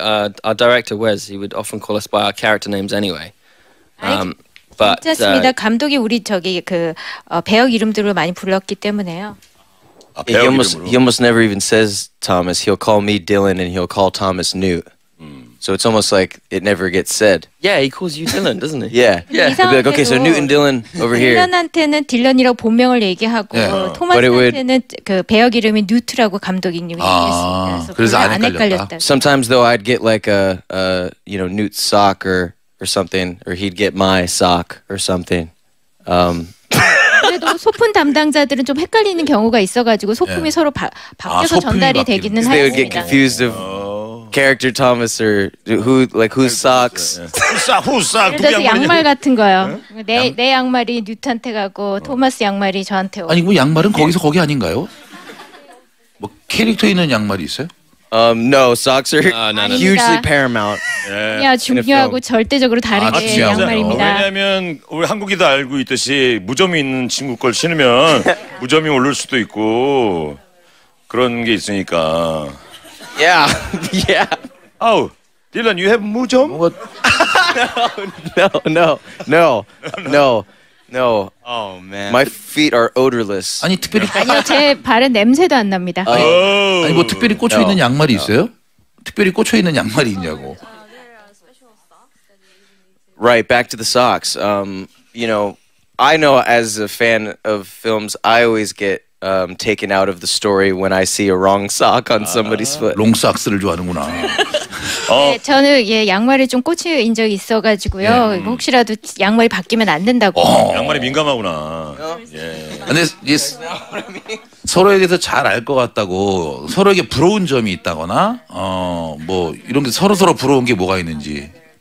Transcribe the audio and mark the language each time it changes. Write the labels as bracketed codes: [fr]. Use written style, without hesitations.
[en] Our director Wes, he would often call us by our character names anyway. [ko] 그렇습니다. 감독이 우리 저기 그 배역 이름들을 많이 불렀기 때문에요. 아, 배역 이름으로. [en] He almost never even says Thomas. He'll call me Dylan and he'll call Thomas Newt. So it's almost like it never gets said. Yeah, he calls you Dylan, doesn't he? Yeah. Yeah. He'll be like, okay, so Newt and Dylan over here. [ko] 딜런한테는 딜런이라고 본명을 얘기하고 토마스한테는 그 배역 이름이 뉴트라고 감독님이 얘기했습니다. 그래서 안 헷갈렸다. [en] Sometimes though I'd get like a you know, Newt sock or something or he'd get my sock or something. [ko] 그래도 소품 담당자들은 좀 헷갈리는 경우가 있어 가지고 소품이 서로 바뀌어서 전달이 되기는 하였습니다. [en] Character Thomas or who like whose socks? 후싹 후싹. [ko] 그래서 양말 같은 거요. 응? 내 양말이 뉴트한테 가고 토마스 양말이 저한테 오고. 아니 뭐 양말은 거기서 거기 아닌가요? 뭐 캐릭터 있는 양말이 있어요? [en] No, socks are hugely paramount. [ko] 야 중요하고 절대적으로 다른 게 양말입니다. 왜냐하면 우리 한국이도 알고 있듯이 무좀이 있는 친구 걸 신으면 무좀이 오를 수도 있고 그런 게 있으니까. [en] Yeah, yeah. Oh, Dylan, you have 무좀? No, no, no, no, no, no. Oh man. My feet are odorless. [ko] 아니 특별히 아니요 제 발은 냄새도 안 납니다. 아니 뭐 특별히 꽂혀 있는 양말이 있어요? 특별히 꽂혀 있는 양말이 있냐고. [en] Right, back to the socks. You know, I know as a fan of films, I always get taken out of the story when I see a wrong sock on somebody's foot. [ko] 롱 socks를 좋아하는구나. 네, 저는 예 양말에 좀 꽂힌 적이 있어가지고요. 예. 혹시라도 양말이 바뀌면 안 된다고. 양말이 민감하구나. 근데 예. 서로에 대해서 잘 알 것 같다고 서로에게 부러운 점이 있다거나 뭐 이런 게 서로 부러운 게 뭐가 있는지.